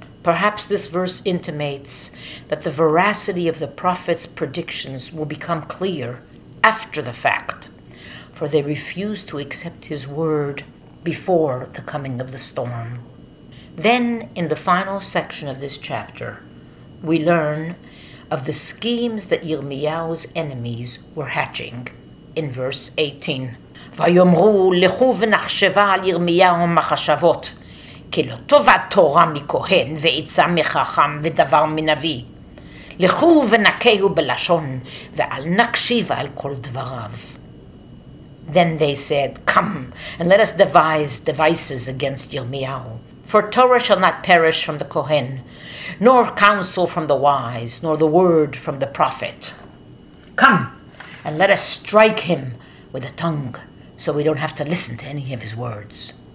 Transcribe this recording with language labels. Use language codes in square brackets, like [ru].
[en] Perhaps this verse intimates that the veracity of the prophet's predictions will become clear after the fact, for they refuse to accept his word before the coming of the storm. Then, in the final section of this chapter, we learn of the schemes that Yirmiyahu's enemies were hatching. In verse 18, [he] Vayomru lechu v'nachsheva al Yirmiyahu machashavot, כי לא טובה תורה מכהן ועיצה מחכם ודבר מנביא. לכו ונקהו בלשון ואל נקשיב על כל דבריו. [en] Then they said, Come, and let us devise devices against Yirmiyahu. For Torah shall not perish from the Kohen, nor counsel from the wise, nor the word from the prophet. Come, and let us strike him with a tongue, so we don't have to listen to any of his words.